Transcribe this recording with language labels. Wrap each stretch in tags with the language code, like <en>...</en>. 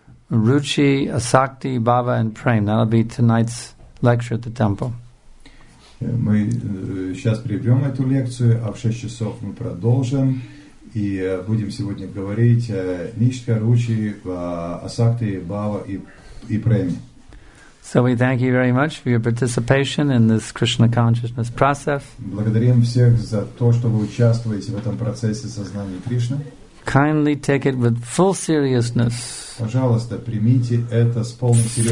<en>Ruchi, Asakti, Bhava, and Prem. That'll be tonight's lecture at the temple.</en> <ru>Мы сейчас прервем эту лекцию, а в 6 часов мы продолжим. И будем сегодня говорить о Нишка Ручи, о Асакте, Бхава и Преме.</ru> <en>So we thank you very much for your participation in this Krishna consciousness process.</en> <ru>Благодарим всех за то, что вы участвуете в этом процессе сознания Кришны.</ru> <en>Kindly take it with full seriousness.</en> <ru>Пожалуйста, примите это с полной серьезностью.</ru>